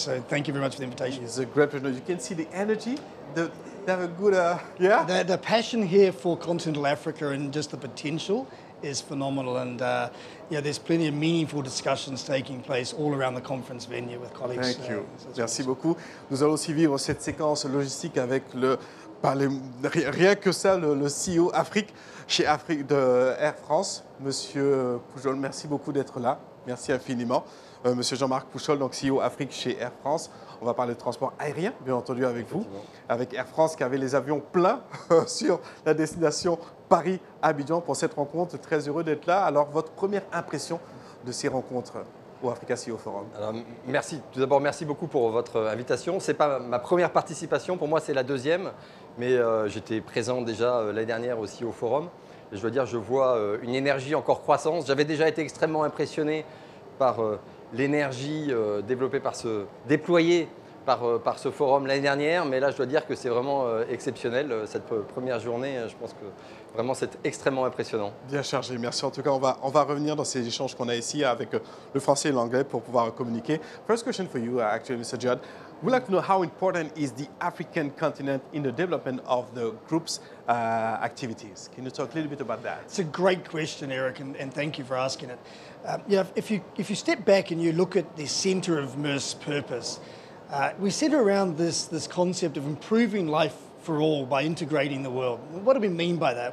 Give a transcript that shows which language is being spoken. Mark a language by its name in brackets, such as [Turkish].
[English] So thank you very much for the invitation. It's a great pleasure. You can see the energy. They have a good, The passion here for continental Africa and just the potential is phenomenal. And yeah, there's plenty of meaningful discussions taking place all around the conference venue with colleagues. Thank you. [French] Merci beaucoup. Nous allons aussi vivre cette séquence logistique avec le CEO Afrique chez Afrique de Air France, Monsieur Poujol. Merci beaucoup d'être là. Merci infiniment. Monsieur Jean-Marc Poujol, donc CEO Afrique chez Air France. On va parler de transport aérien, bien entendu, avec vous, avec Air France qui avait les avions pleins sur la destination Paris-Abidjan pour cette rencontre. Très heureux d'être là. Alors, votre première impression de ces rencontres au Africa CEO Forum? Alors, merci. Tout d'abord, merci beaucoup pour votre invitation. Ce n'est pas ma première participation. Pour moi, c'est la deuxième. Mais j'étais présent déjà l'année dernière aussi au Forum. Et je dois dire, je vois une énergie encore croissante. J'avais déjà été extrêmement impressionné par l'énergie développée par déployée par ce forum l'année dernière. Mais là, je dois dire que c'est vraiment exceptionnel, cette première journée. Je pense que vraiment, c'est extrêmement impressionnant. Bien chargé. Merci. En tout cas, on va revenir dans ces échanges qu'on a ici avec le français et l'anglais pour pouvoir communiquer. [English] First question for you, actually, Mr. Judd. We'd like to know how important is the African continent in the development of the group's activities. Can you talk a little bit about that? It's a great question, Eric, and thank you for asking it. If you step back and you look at the center of MERCS purpose, we center around this concept of improving life for all by integrating the world. What do we mean by that?